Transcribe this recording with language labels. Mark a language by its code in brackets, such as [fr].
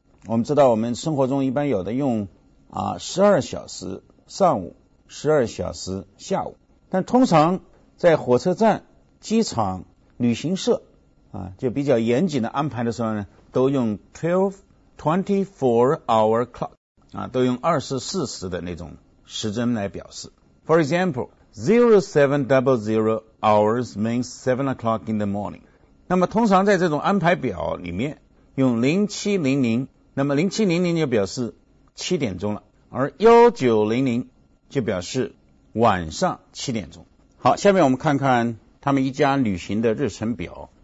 [zh] 我们知道我们生活中一般有的用啊12小时上午12小时下午，但通常在火车站、机场、旅行社啊，就比较严谨的安排的时候呢，都用 24-hour clock 啊，都用24时的那种时针来表示。 [en] For example, 0700 hours means 7 o'clock in the morning. [zh] 那么通常在这种安排表里面用0700，那么0700就表示7点钟了，而1900就表示晚上7点钟。好，下面我们看看他们一家旅行的日程表。